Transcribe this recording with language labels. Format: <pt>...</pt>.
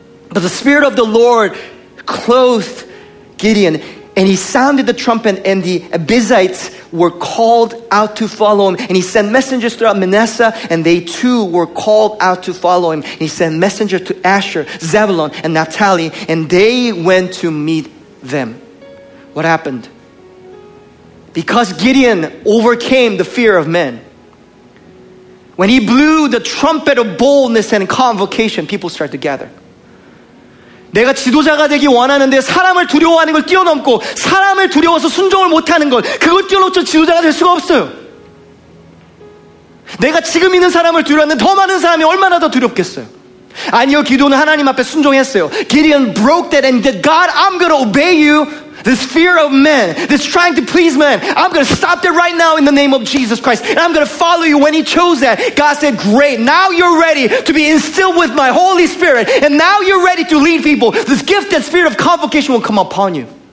<en>But the spirit of the Lord clothed Gideon and he sounded the trumpet and the Abizzites were called out to follow him and he sent messengers throughout Manasseh and they too were called out to follow him and he sent messengers to Asher, Zebulun and Naphtali and they went to meet them. What happened? Because Gideon overcame the fear of men. When he blew the trumpet of boldness and convocation, people started to gather.</en> <ko>내가 지도자가 되기 원하는데 사람을 두려워하는 걸 뛰어넘고 사람을 두려워서 순종을 못하는 걸 그걸 뛰어넘쳐 지도자가 될 수가 없어요. 내가 지금 있는 사람을 두려워하는데 더 많은 사람이 얼마나 더 두렵겠어요. 아니요, 기도는 하나님 앞에 순종했어요.</ko> <en>Gideon broke that and said, God, I'm going to obey you. This fear of men, this trying to please men, I'm going to stop that right now in the name of Jesus Christ. And I'm going to follow you when he chose that. God said, great, now you're ready to be instilled with my Holy Spirit. And now you're ready to lead people. This gift, that spirit of convocation will come upon you.</en>